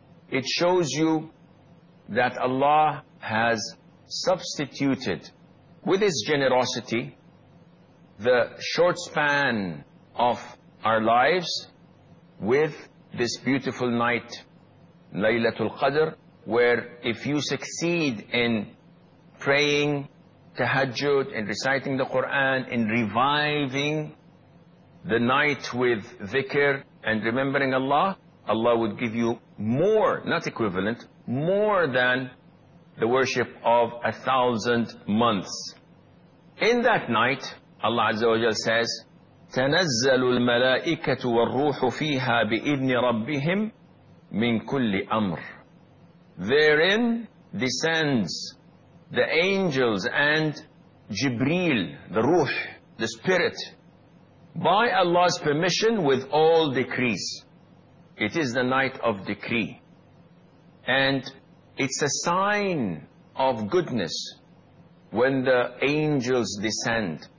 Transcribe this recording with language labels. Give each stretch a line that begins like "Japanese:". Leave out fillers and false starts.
English: It shows you that Allah has substituted with His generosity the short span of our lives with this beautiful night, Laylatul Qadr, where if you succeed in praying tahajjud, in reciting the Quran, in reviving the night with dhikr and remembering Allah, Allah would give you more, not equivalent, more than the worship of 1,000 months. In that night, Allah Azza wa Jalla says,
Arabic: تَنَزَّلُ الْمَلَائِكَةُ وَالْرُوحُ فِيهَا بِإِذْنِ رَبِّهِمْ مِنْ كُلِّ أَمْرٍ.
English: Therein descends the angels and Jibreel, the Ruh, the spirit, by Allah's permission with all decrees. It is the night of decree. And it's a sign of goodness when the angels descend.